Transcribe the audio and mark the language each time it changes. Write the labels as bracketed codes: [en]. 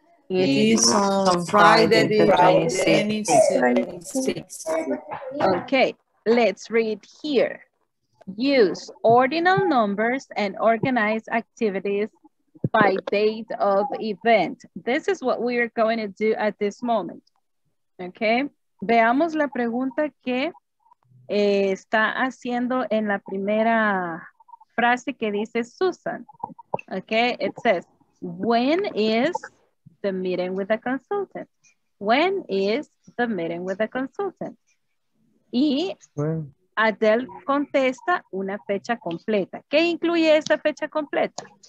[en] It is on Friday the 26th. Okay, let's read here. Use ordinal numbers and organize activities by date of event. This is what we are going to do at this moment. [es] Okay, veamos la pregunta que está haciendo en la primera frase que dice Susan. [en] Okay, it says, when is the meeting with a consultant? When is the meeting with a consultant? [es] Y Adele contesta una fecha completa. ¿Qué incluye esa fecha completa?